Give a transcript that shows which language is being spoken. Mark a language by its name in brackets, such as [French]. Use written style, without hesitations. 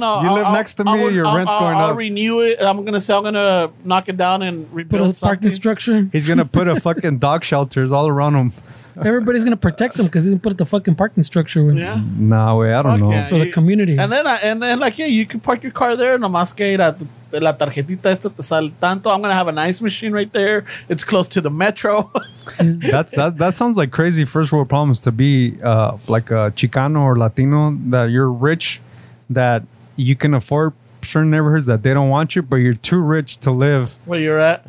[English] No. Your rent's going up. I'll renew it. I'm gonna say I'm gonna knock it down and rebuild something. Put a parking structure. He's gonna put a fucking dog shelters all around him. Everybody's gonna protect them because he's gonna put the fucking parking structure. Yeah. No way, I don't know. For the community. And then you can park your car there. [Spanish] Nomás que ir a la tarjetita esta te sale tanto. [English] I'm gonna have an ice machine right there. It's close to the metro. That sounds like crazy first world problems to be like a Chicano or Latino, that you're rich, that you can afford certain neighborhoods that they don't want you, but you're too rich to live where you're at,